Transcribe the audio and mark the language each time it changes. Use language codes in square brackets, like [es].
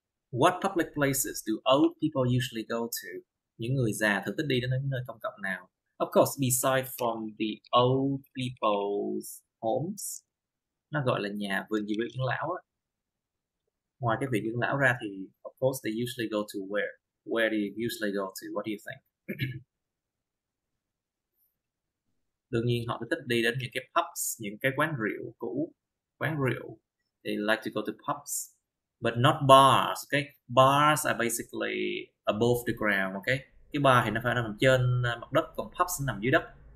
[en] What public places do old people usually go to? [vi] Những người già thường thích đi đến những nơi công cộng nào? [en] Of course, besides from the old people's homes, [vi] nó gọi là nhà vườn dưỡng lão á. Ngoài cái vườn dưỡng lão ra thì, [en] of course, they usually go to where? Where do you usually go to? What do you think? [vi] Đương nhiên, họ thích đi đến những cái pubs, những cái quán rượu cũ. Quán rượu, [en] they like to go to pubs. But not bars, okay? Bars are basically above the ground, okay? [vi] Cái bar thì nó phải nằm trên mặt đất, còn pubs nằm dưới đất.